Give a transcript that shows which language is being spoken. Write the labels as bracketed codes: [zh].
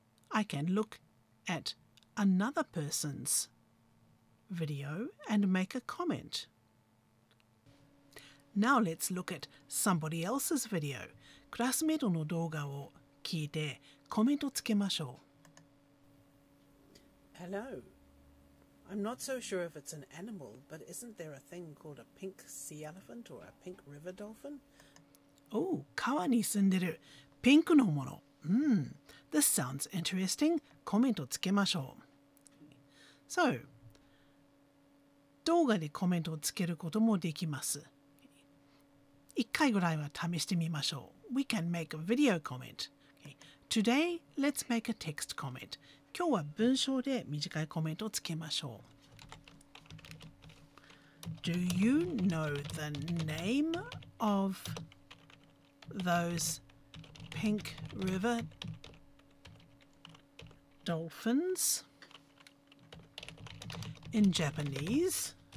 [en] I can look at another person's. Video and make a comment. Now let's look at somebody else's video. [ja] クラスメートの動画を聞いてコメントつけましょう。 [en] Hello. I'm not so sure if it's an animal, but isn't there a thing called a pink sea elephant or a pink river dolphin? Oh, [ja] 川に住んでるピンクのもの。 [en] This sounds interesting. [ja] コメントつけましょう。 [en] So, [ja] 動画でコメントをつけることもできます。一回ぐらいは試してみましょう。 [en] we can make a video comment. Okay. Today, let's make a text comment. [ja] 今日は文章で短いコメントをつけましょう。 [en] Do you know the name of those pink river dolphins in Japanese?